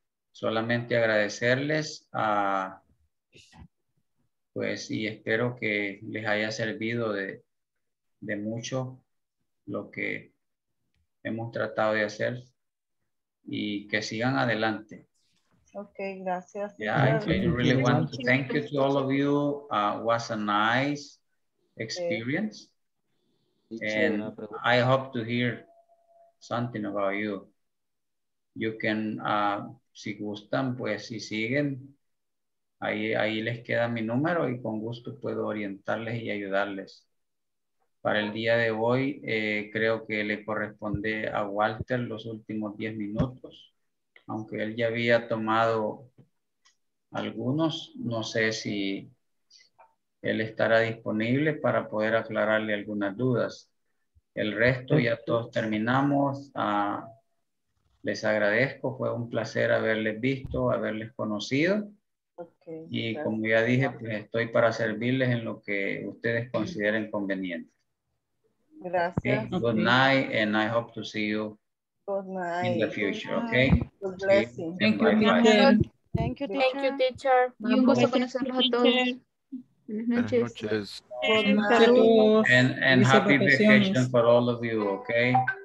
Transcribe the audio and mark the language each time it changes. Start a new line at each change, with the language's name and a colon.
Spanish: Solamente agradecerles a... Pues, y espero que les haya servido de mucho lo que hemos tratado de hacer y que sigan adelante. Okay, gracias.
English: Yeah, I really want to thank you to all of you. Was a nice experience. And I hope to hear something about you. You can,
Spanish: si gustan, pues si siguen, ahí les queda mi número y con gusto puedo orientarles y ayudarles. Para el día de hoy, creo que le corresponde a Walter los últimos 10 minutos. Aunque él ya había tomado algunos, no sé si él estará disponible para poder aclararle algunas dudas. El resto ya todos terminamos. Les agradezco, fue un placer haberles visto, haberles conocido. Okay, y gracias. Como ya dije, pues estoy para servirles en lo que ustedes consideren conveniente. Gracias.
English: Good night, and I hope to see you good in the future, good okay? Good thank you, teacher. Thank you, teacher.
Spanish: Un gusto conocerlos a todos.
English: Good night. And happy vacation for all of you, okay?